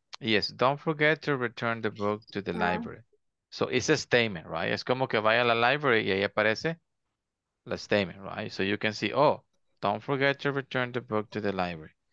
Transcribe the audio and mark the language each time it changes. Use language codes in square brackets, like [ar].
[en] Yes, don't forget to return the book to the library. So it's a statement, right? [es] Es como que vaya a la library y ahí aparece la statement, right? [en] So you can see, oh, don't forget to return the book to the library.